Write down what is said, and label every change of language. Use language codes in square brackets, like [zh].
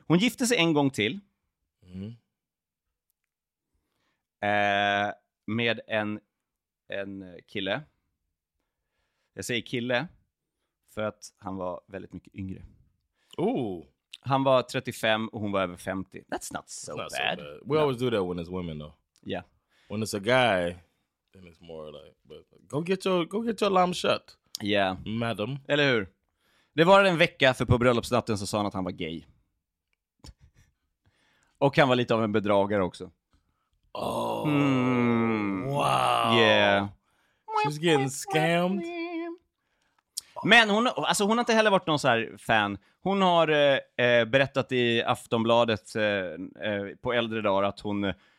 [sv] Hon gifte sig en gång till. Mm. Med en kille. Jag säger kille för att han var väldigt mycket yngre. Ooh. Han var 35 och hon var över 50. [en] That's not so, not bad. So bad. We always do that when it's women though. Yeah. When it's a guy, then it's more like, but go get your lamb shut. Yeah. Madam. [sv] Eller hur? Det var en vecka för på bröllopsnatten så sa han att han var gay. Och han var lite av en bedragare också. [en] Oh. Wow. Yeah. She's getting scammed. [sv] Men hon, alltså hon har inte heller varit någon så här fan. Hon har berättat i Aftonbladet på äldre dagar att hon...